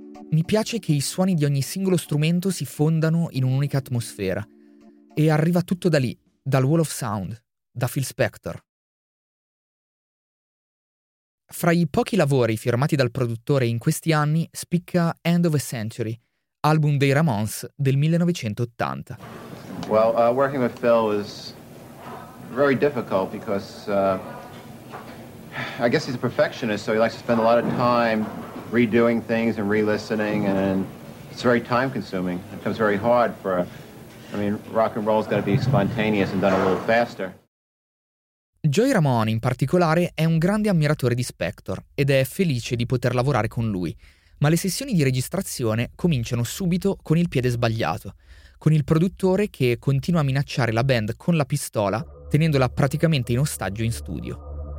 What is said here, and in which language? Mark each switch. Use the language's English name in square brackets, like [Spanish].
[Italian] «Mi piace che i suoni di ogni singolo strumento si fondano in un'unica atmosfera. E arriva tutto da lì, dal Wall of Sound, da Phil Spector». Fra i pochi lavori firmati dal produttore in questi anni spicca End of a Century, album dei Ramones del 1980. [English] Well, working with Phil is very difficult because I guess he's a perfectionist, so he likes to spend a lot of time redoing things and re-listening, and it's very time consuming. It becomes very hard for rock and roll's gotta be spontaneous and done a little faster. [Italian] Joey Ramone, in particolare, è un grande ammiratore di Spector ed è felice di poter lavorare con lui. Ma le sessioni di registrazione cominciano subito con il piede sbagliato, con il produttore che continua a minacciare la band con la pistola, tenendola praticamente in ostaggio in studio.